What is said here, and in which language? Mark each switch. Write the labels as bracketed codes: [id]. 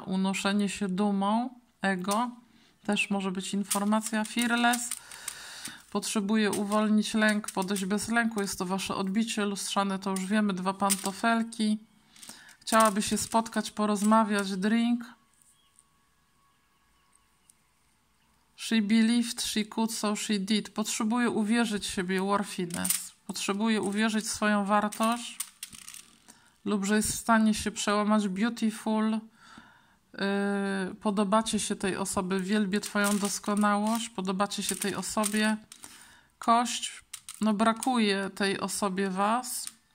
[pl] Unoszenie się dumą, ego, też może być informacja. Fearless, potrzebuje uwolnić lęk, podejść bez lęku, jest to wasze odbicie lustrzane, to już wiemy, dwa pantofelki. Chciałaby się spotkać, porozmawiać, drink. [en] She believed, she could, so she did. [pl] Potrzebuje uwierzyć w siebie, worthiness. Potrzebuje uwierzyć w swoją wartość. Lub że jest w stanie się przełamać, beautiful. Podobacie się tej osobie, wielbię twoją doskonałość. Podobacie się tej osobie. Kość, no brakuje tej osobie was.